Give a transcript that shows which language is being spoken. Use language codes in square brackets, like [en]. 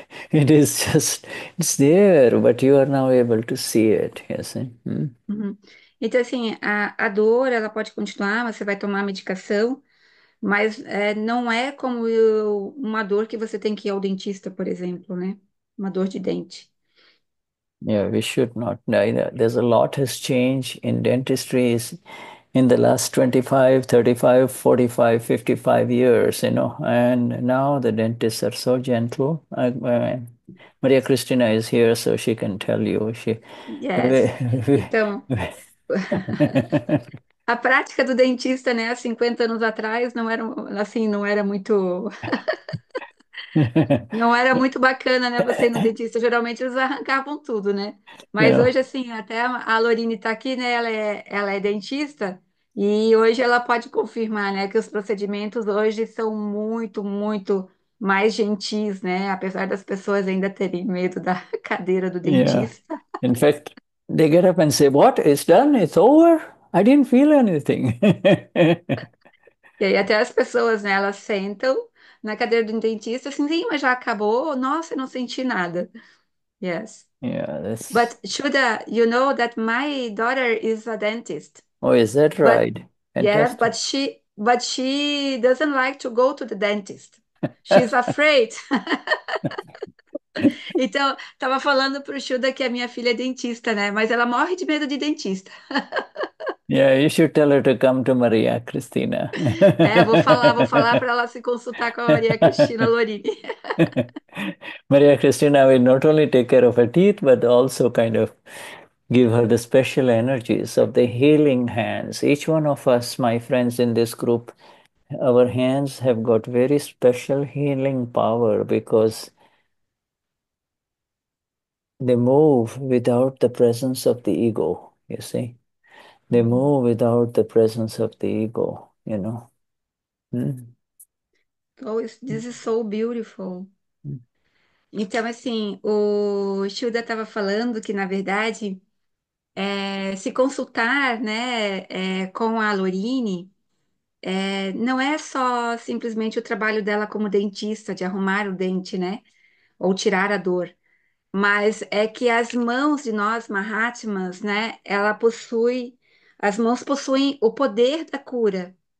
[en] It's there, but you are now able to see it, you see. [pt] Então, assim, a dor, ela pode continuar, você vai tomar medicação, mas não é como uma dor que você tem que ir ao dentista, por exemplo, né? Uma dor de dente. [en] Yeah, we should not neither. There's a lot has changed in dentistry. in the last 25, 35, 45, 55 years, you know. And now the dentists are so gentle. Maria Cristina is here, so she can tell you. She. Yes. [pt] Então, a prática do dentista, né, 50 anos atrás, não era assim, não era muito não era muito bacana, né, você ir no dentista, geralmente eles arrancavam tudo, né? Mas hoje assim, até a Lorine tá aqui, né? Ela é dentista e hoje ela pode confirmar, né, que os procedimentos hoje são muito, muito mais gentis, né? Apesar das pessoas ainda terem medo da cadeira do dentista. [en] In fact, they get up and say, "What? It's done. It's over. I didn't feel anything." [pt] E aí, até as pessoas, né, elas sentam na cadeira do dentista, assim, sim, mas já acabou. Nossa, não senti nada. Yes. [en] But, Shuddha, you know that my daughter is a dentist. Oh, is that But, right? yeah, Fantastic. but she doesn't like to go to the dentist. She's afraid. [pt] Então, tava falando pro Shuddha que a minha filha é dentista, né? Mas ela morre de medo de dentista. [en] You should tell her to come to Maria Cristina. [pt] É, vou falar para ela se consultar com a Maria Cristina Lorini. [en] Maria Cristina will not only take care of her teeth, but also kind of give her the special energies of the healing hands. Each one of us, my friends in this group, our hands have got very special healing power because they move without the presence of the ego, you see. They move without the presence of the ego, you know. Oh, this is so beautiful. [pt] Então, assim, o Shuda estava falando que, na verdade, se consultar, né, com a Lorine, não é só simplesmente o trabalho dela como dentista, de arrumar o dente, né, ou tirar a dor, mas é que as mãos de nós, Mahatmas, né, ela possui, as mãos possuem o poder da cura.